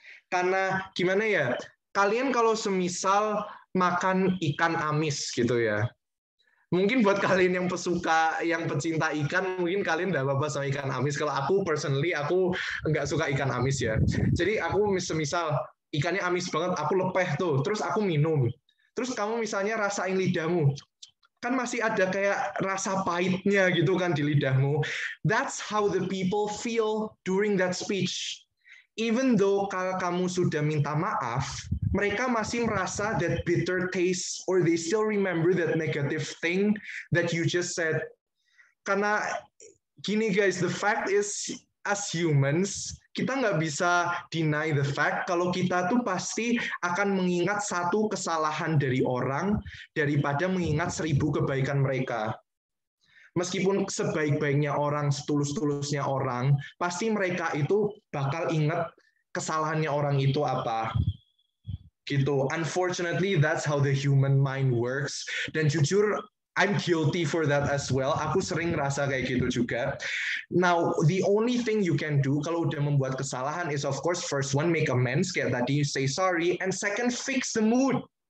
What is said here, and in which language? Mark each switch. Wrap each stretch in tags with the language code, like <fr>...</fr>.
<id>Karena gimana ya, kalian kalau semisal makan ikan amis gitu ya, mungkin buat kalian yang pesuka, yang pecinta ikan, mungkin kalian nggak apa-apa sama ikan amis. Kalau aku personally, aku nggak suka ikan amis ya. Jadi aku semisal ikannya amis banget, aku lepeh tuh, terus aku minum. Terus kamu misalnya rasain lidahmu, kan masih ada kayak rasa pahitnya gitu kan di lidahmu.</id> <en>That's how the people feel during that speech. Even though</en> <id>kalau kamu sudah minta maaf, mereka masih merasa</id> <en>that bitter taste, or they still remember that negative thing that you just said.</en> <id>Karena gini guys,</id> <en>the fact is, as humans,</en> <id>kita nggak bisa</id> <en>deny the fact</en> <id>kalau kita tuh pasti akan mengingat satu kesalahan dari orang daripada mengingat 1000 kebaikan mereka. Meskipun sebaik-baiknya orang, setulus-tulusnya orang, pasti mereka itu bakal ingat kesalahannya orang itu apa. Gitu.</id> <en>Unfortunately, that's how the human mind works.</en> <id>Dan jujur,</id> <en>I'm guilty for that as well.</en> <id>Aku sering ngerasa kayak gitu juga.</id> <en>Now, the only thing you can do</en> <id>kalau udah membuat kesalahan</id> <en>is of course first one, make amends,</en> <id>kayak tadi</id> <en>you say sorry, and second, fix the mood.</en>